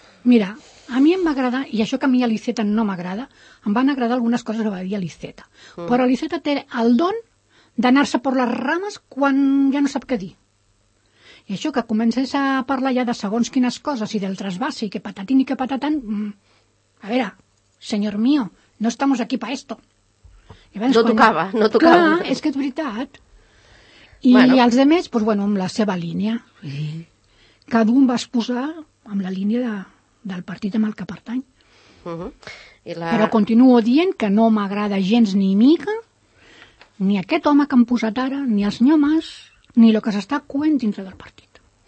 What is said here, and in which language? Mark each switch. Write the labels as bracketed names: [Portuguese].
[Catalan] Mira, a mi em va agradar, i això que a mi a l'Iceta no m'agrada, em van agradar algunes coses que va dir a l'Iceta. Mm. Però l'Iceta té el don d'anar-se per les rames quan ja no sap què dir. I això que comences a parlar ja de segons quines coses i del trasbasse i que patatín i que patatán... A veure, senyor [Spanish] mío, no estamos aquí para esto. [Catalan] Llavors, no tocava, no tocava. Clar, és que és veritat. I bueno, els altres, doncs, bueno, amb la seva línia. Sí. Cada un va es posar amb la línia del partit amb el que pertany. Uh-huh. I la... Però continuo dient que no m'agrada gens ni mica ni aquest home que han posat ara, ni el senyor Mas, ni el que s'està coent dintre del partit.